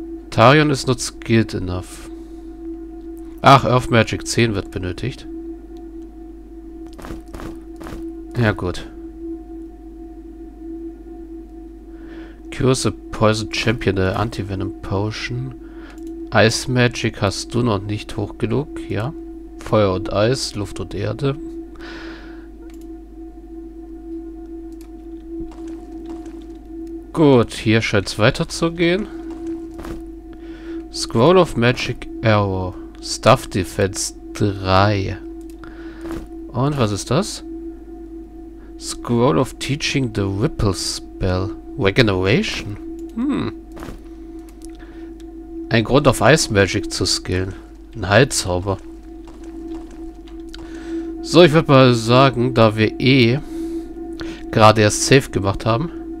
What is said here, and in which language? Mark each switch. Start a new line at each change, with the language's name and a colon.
English: Tarion is not skilled enough.
German: Ach, Earth Magic 10 wird benötigt. Ja, gut.
English: Cure a Poison Champion, der Anti-Venom Potion.
German: Ice Magic hast du noch nicht hoch genug, ja. Feuer und Eis, Luft und Erde. Gut, hier scheint es weiterzugehen.
English: Scroll of Magic Arrow. Stuff Defense 3.
German: Und was ist das?
English: Scroll of Teaching the Ripple Spell. Regeneration?
German: Ein Grund auf Ice Magic zu skillen. Ein Heilzauber. So, ich würde mal sagen, da wir eh gerade erst Safe gemacht haben.